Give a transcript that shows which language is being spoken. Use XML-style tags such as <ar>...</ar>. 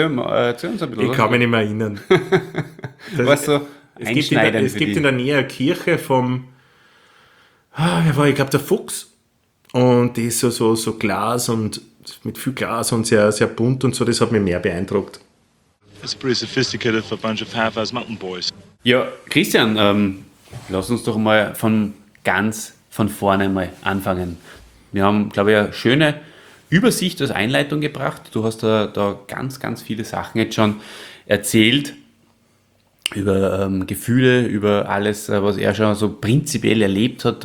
<de>Erzähl uns ein bisschen. Ich kann mich nicht mehr erinnern. Weißt du, es gibt in der Nähe eine Kirche vom, der Fuchs. Und die ist so Glas und mit viel Glas und sehr, sehr bunt und so, das hat mich mehr beeindruckt.</de> <en>That's pretty sophisticated for a bunch of half-ass mountain boys.</en> <de>Ja, Christian, lass uns doch mal von vorne mal anfangen. Wir haben, glaube ich, eine schöne Übersicht als Einleitung gebracht. Du hast da ganz, ganz viele Sachen jetzt schon erzählt über Gefühle, über alles, was er schon so prinzipiell erlebt hat.</de>